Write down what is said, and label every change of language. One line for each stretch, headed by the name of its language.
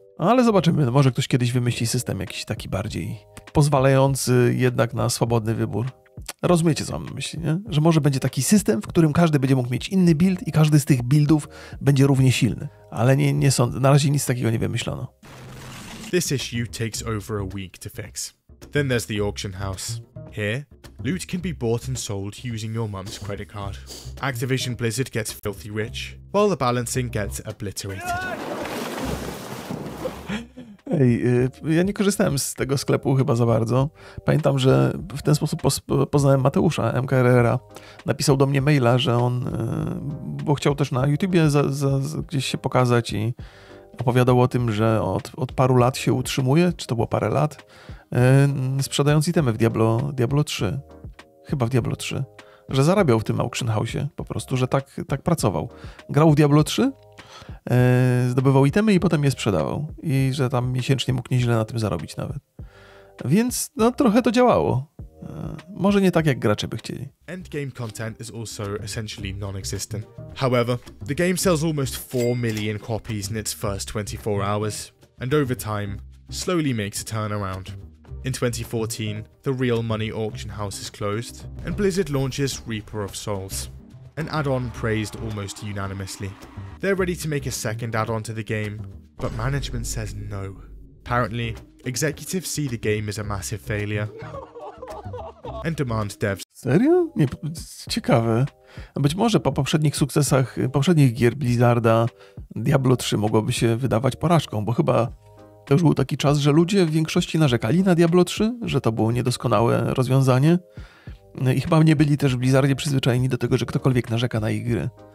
Polish: Ale zobaczymy, może ktoś kiedyś wymyśli system jakiś taki bardziej pozwalający jednak na swobodny wybór. Rozumiecie, co mam na myśli, nie? Że może będzie taki system, w którym każdy będzie mógł mieć inny build i każdy z tych buildów będzie równie silny. Ale nie sądzę, na razie nic takiego nie wymyślono.
English: This issue takes over a week to fix. Then there's the auction house. Here, loot can be bought and sold using your mum's credit card. Activision Blizzard gets filthy rich, while the balancing gets obliterated.
Polish: Ej, ja nie korzystałem z tego sklepu chyba za bardzo. Pamiętam, że w ten sposób poznałem Mateusza MKRR-a. Napisał do mnie maila, że on, bo chciał też na YouTubie gdzieś się pokazać i opowiadał o tym, że od paru lat się utrzymuje, czy to było parę lat, sprzedając itemy w Diablo 3. Chyba w Diablo 3. Że zarabiał w tym auction house'ie po prostu, że tak pracował. Grał w Diablo 3, zdobywał itemy i potem je sprzedawał. I że tam miesięcznie mógł nieźle na tym zarobić nawet. Więc no trochę to działało. Może nie tak, jak gracze by chcieli.
English: Endgame content is also essentially non-existent. However, the game sells almost 4 million copies in its first 24 hours. And over time, slowly makes a turnaround. In 2014, the Real Money auction house is closed, and Blizzard launches Reaper of Souls, an add-on praised almost unanimously. They're ready to make a second add-on to the game, but management says no. Apparently, executives see the game as a massive failure, and demand devs...
Polish: Serio? Nie, ciekawe. Być może po poprzednich sukcesach, poprzednich gier Blizzarda, Diablo 3 mogłoby się wydawać porażką, bo chyba... To już był taki czas, że ludzie w większości narzekali na Diablo 3, że to było niedoskonałe rozwiązanie. I chyba nie byli też w Blizzardzie przyzwyczajeni do tego, że ktokolwiek narzeka na ich gry.